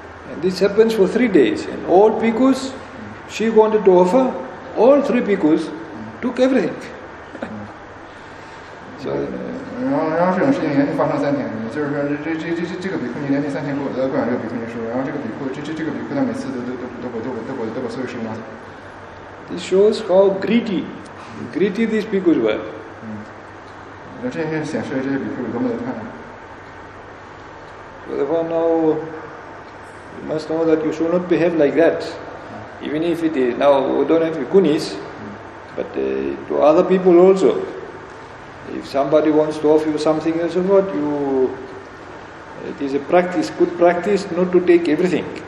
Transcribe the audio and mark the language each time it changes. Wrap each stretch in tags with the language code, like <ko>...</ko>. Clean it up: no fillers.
<en>And this happens for 3 days, and all bhikkhus, she wanted to offer, all 3 bhikkhus took everything. So.</en> <zh>然后这种事情连续发生3天，就是说这个比库尼连续3天给我都灌了这个比库尼食物，然后这个比库他每次都把所有食物拿走。</zh> <en>This shows how greedy these bhikkhus were.</en> <zh>那这些显示了这些比库有多么的贪婪。</zh> <en>So therefore now you must know that you should not behave like that. Even if it is now we don't have bhikkhunis, but to other people also. If somebody wants to offer you something and so forth, it is a practice, good practice, not to take everything.</en>